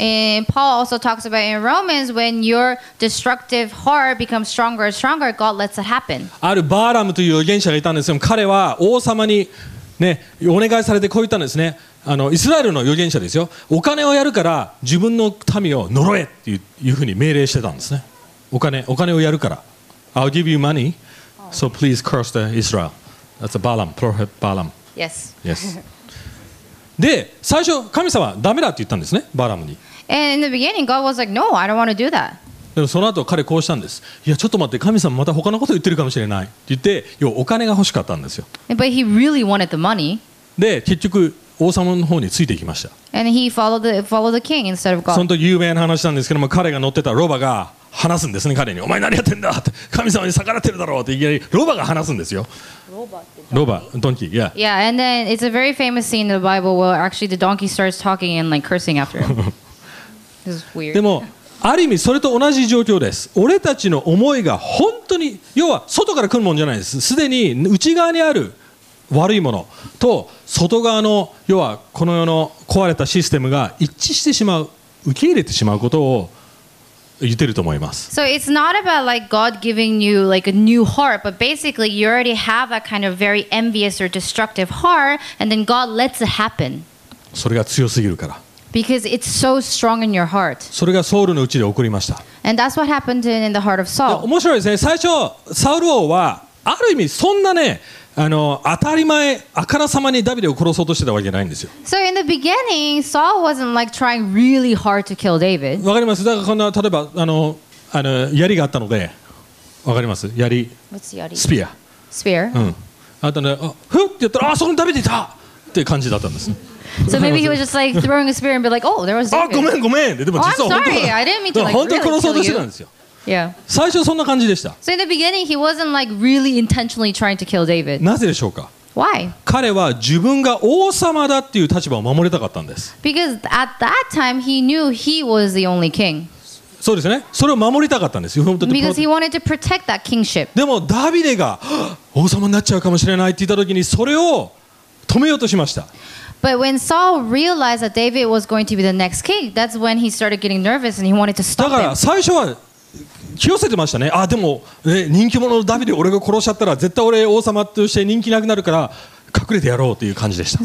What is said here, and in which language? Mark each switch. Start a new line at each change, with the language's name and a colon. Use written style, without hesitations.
English: And Paul also talks about in Romans when your destructive heart becomes stronger and stronger, God lets it happen.
Japanese: あるバーラムという預言者がいたんですよ。彼は王様にね、お願いされてこう言ったんですね。あのイスラエルの預言者ですよ。お金をやるから自分の民を呪えっていうふうに命令してたんですね。お金をやるから。
English: I'll give you money, so please curse the Israel. That's a Balaam, prophet Balaam. Yes. Yes.
Japanese: で、最初神様ダメだって言ったんですね、バラムに。
English: And in the beginning, God was like, No, I don't want to do that.
Japanese: でもその後彼こうしたんです。いやちょっと待って、神様また他のこと言ってるかもしれないって言って、要はお金が欲しかったんですよ。
English: But he really wanted the money.
Japanese: で結局王様の方についていきました。
English: And he followed the king instead of God.
Japanese: その有名な話なんですけども、彼が乗ってたロバが話すんですね、彼に。お前何やってんだって、神様に逆らってるだろうって、いきなりロバが話すんですよ。ロバってドンキー。ロバ、ドンキー、
English: yeah. Yeah, and then it's a very famous scene in the Bible where actually the donkey starts talking and like cursing after him. This is weird.
Japanese: でもある意味それと同じ状況です。俺たちの思いが本当に要は外から来るものじゃないです。すでに内側にある悪いものと外側の要はこの世の壊れたシステムが一致してしまう、受け入れてしまうことを言ってると思います。
English: So it's not about like God giving you like a new heart, but basically you already have a kind of very envious or destructive heart, and then God lets it happen.
Japanese: それが強すぎるから。
English: Because it's so strong in your heart.
Japanese: それがサウルのうちで起こりました。
English: And that's what happened in the heart of Saul.
Japanese: 面白いですね。最初サウル王はある意味そんなね、当たり前あからさまにダビデを殺そうとしてたわけじゃないんですよ。
English: So in the beginning, Saul wasn't like trying really hard to kill David.
Japanese: わかります。だからこんな例えば槍があったので、わかります。槍。
English: What's the 槍? Spear. Spear.
Japanese: うん。あとね、ふってやったらあそこにダビデいたって感じだったんです。
English: So maybe he was just like throwing a spear and be like, oh, there was David.
Japanese: ごめんごめん。でも実は本当に、
English: oh, I didn't mean to like really kill you.
Japanese: 本当殺そうとしてたんですよ。
English: Yeah.
Japanese: 最初そんな感じでした。
English: So in the beginning, he wasn't like really intentionally trying to kill David.
Japanese: なぜでしょうか。
English: Why?
Japanese: 彼は自分が王様だっていう立場を守りたかったんです。
English: Because at that time, he knew he was the only king.
Japanese: そうですね。それを守りたかったんですよ。
English: Because he wanted to protect that kingship.
Japanese: でもダビデが王様になっちゃうかもしれないって言った時にそれを止めようとしました。
English: But when Saul realized that David was going to be the next king, that's when he started getting nervous and he wanted to stop him.
Japanese: だから最初は気をつけてましたね。あ、でも、ね、人気者のダビデ、俺が殺しちゃったら絶対俺王様として人気なくなるから隠れてやろうという感じでした。